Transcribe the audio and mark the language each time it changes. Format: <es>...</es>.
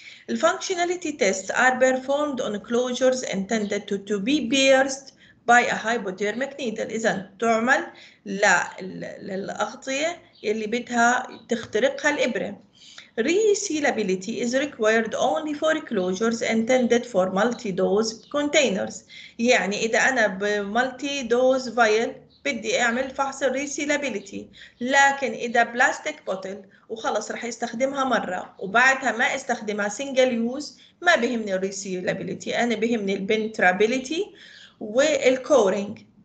<en>الفانكشناليتي test are performed on closures intended to be pierced by a hypodermic needle,</en> <ar>اذا تعمل للاغطيه اللي بدها تخترقها الابره.</ar> <en>Resealability is required only for closures intended for multi-dose containers.</en> <ar>يعني إذا أنا بmulti-dose vial بدي أعمل فحص resealability، لكن إذا plastic bottle وخلص رح يستخدمها مرة وبعدها ما استخدمها single use، ما بهمني resealability، أنا بهمني penetrability والcoring.</ar>